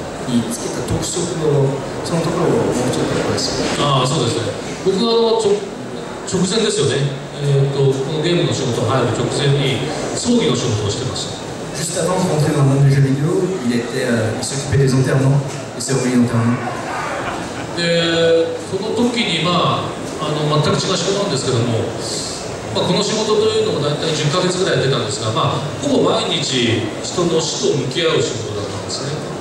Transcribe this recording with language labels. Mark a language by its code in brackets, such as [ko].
[ja] つけた特色のそのところをもうちょっとお話しします。ああ、そうですね。僕はあの直前ですよね、このゲームの仕事に入る直前に葬儀の仕事をしてました。 [fr] Juste avant de rentrer dans le monde du jeu vidéo, il s'occupait des enterrements et s'est orienté en terrain. [ja] で、その時に、まあ、あの全く違う仕事なんですけども、まあ、この仕事というのを大体10ヶ月ぐらいやってたんですが、まあ、ほぼ毎日人の死と向き合う仕事だったんですね。